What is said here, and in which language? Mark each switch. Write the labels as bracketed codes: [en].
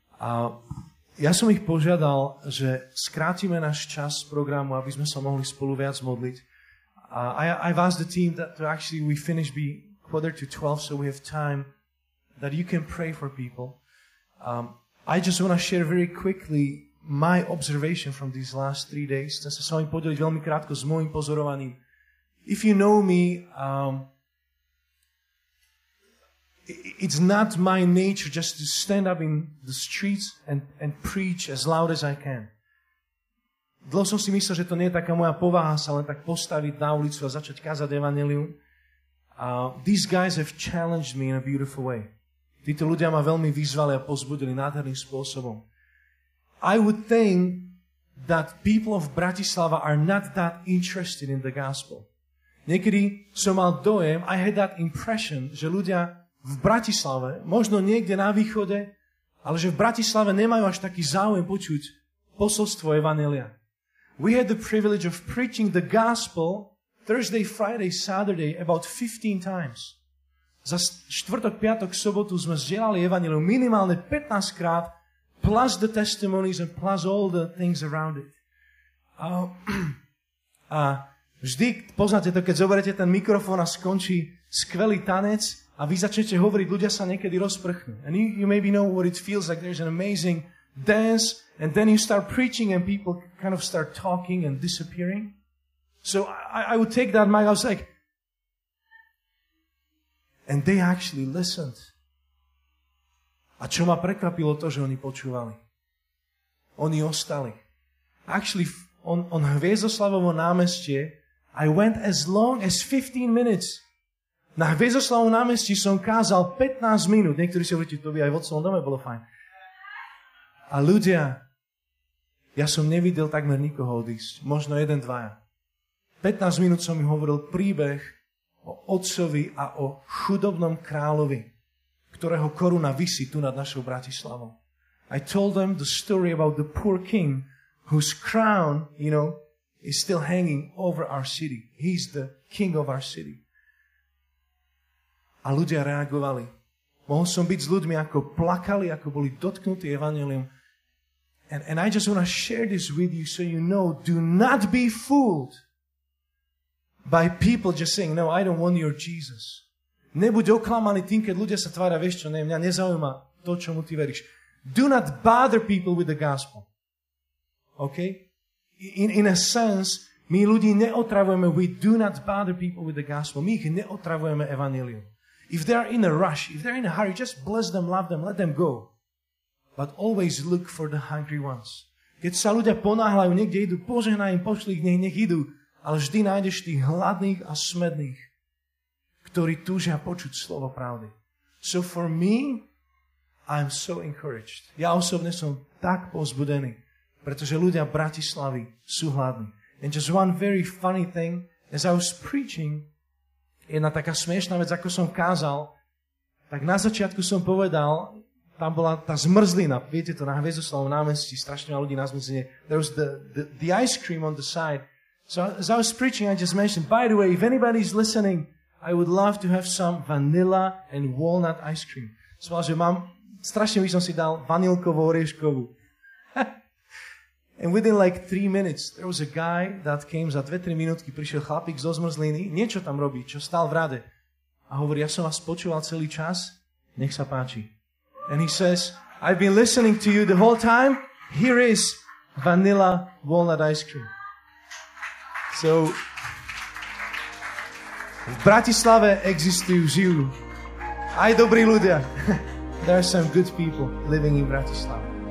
[sk] A ja som ich požiadal, že skrátime náš čas programu, aby sme sa mohli spolu viac modliť. [en] I've asked the team that actually we finish be quarter to 12, so we have time that you can pray for people. I just want to share very quickly my observation from these last three days. [sk] Chcem sa s vami podeliť veľmi krátko s môjim pozorovaním. [en] If you know me, it's not my nature just to stand up in the streets and preach as loud as I can. [sk] Dlho som si myslel, že to nie je taká moja povaha sa len tak postaviť na ulicu a začať kázať evanjelium. [en] These guys have challenged me in a beautiful way. [sk] Títo ľudia ma veľmi vyzvali a pozbudili nádherným spôsobom. [en] I would think that people of Bratislava are not that interested in the gospel. [sk] Niekedy som mal dojem, [en] I had that impression, [sk] že ľudia v Bratislave, možno niekde na východe, ale že v Bratislave nemajú až taký záujem počuť posolstvo Evanjelia. [en] We had the privilege of preaching the gospel Thursday, Friday, Saturday about 15 times. [sk] Za štvrtok, piatok, sobotu sme zdieľali Evanjelium minimálne 15 krát, [en] plus the testimonies and plus all the things around it. [sk] A vždy, poznáte to, keď zoberete ten mikrofón a skončí skvelý tanec a vy začnete hovoriť, ľudia sa niekedy rozprchnú. [en] And you maybe know what it feels like. There's an amazing dance and then you start preaching and people kind of start talking and disappearing. So I would take that mic, I was like, and they actually listened. [sk] A čo ma prekvapilo to, že oni počúvali. Oni ostali. [en] Actually, on Hviezdoslavovo námestie, I went as long as 15 minutes. [sk] Na Hviezdoslavovom námestí som kázal 15 minút. Niektorí si hovoríte, to by aj v otcovom dome bolo fajn. A ľudia, ja som nevidel takmer nikoho odísť. Možno jeden, dvaja. 15 minút som im hovoril príbeh o otcovi a o chudobnom kráľovi, ktorého koruna visí tu nad našou Bratislavou. [en] I told them the story about the poor king whose crown, you know, is still hanging over our city. He's the king of our city. [sk] A ľudia reagovali. Mohol som byť s ľuďmi, ako plakali, ako boli dotknutí evanjeliom. [en] And I just want to share this with you so you know, do not be fooled by people just saying, no, I don't want your Jesus. [sk] Nebuď oklamaný tým, keď ľudia sa tvária, vieš čo, ne, mňa nezaujíma to, čomu ty veríš. [en] Do not bother people with the gospel. Okay? In a sense, [sk] my ľudí neotravujeme, [en] we do not bother people with the gospel. [sk] My ich neotravujeme evanjelium. [en] If they are in a rush, if they are in a hurry, just bless them, love them, let them go. But always look for the hungry ones. [sk] Keď sa ľudia ponáhľajú, niekde idú, požehnaj im, pošli ich, nech idú, ale vždy nájdeš tých hladných a smedných, ktorí túžia počuť slovo pravdy. [en] So for me, I'm so encouraged. [sk] Ja osobne som tak povzbudený, pretože ľudia Bratislavy sú hladní. [en] And just one very funny thing, as I was preaching, [sk] jedna taká smiešná vec, ako som kázal, tak na začiatku som povedal, tam bola tá zmrzlina, viete to, na Hviezdoslavovom námestí, strašne ľudí na zmrzlinie, [en] there was the ice cream on the side. So as I was preaching, I just mentioned, by the way, if anybody's listening, I would love to have some vanilla and walnut ice cream. So I said, [sk] mom, strašne by som si dal vanilkovú orieškovú. [en] And within like 3 minutes, there was a guy that came, [sk] za 2-3 minútky prišiel chlapík zo zmrzliny, niečo tam robí, čo stál v rade. A hovorí, ja som vás počúval celý čas, nech sa páči. [en] And he says, I've been listening to you the whole time, here is vanilla walnut ice cream. [sk] So, v Bratislave existujú žijú aj dobrí ľudia. [en] There are some good people living in Bratislava.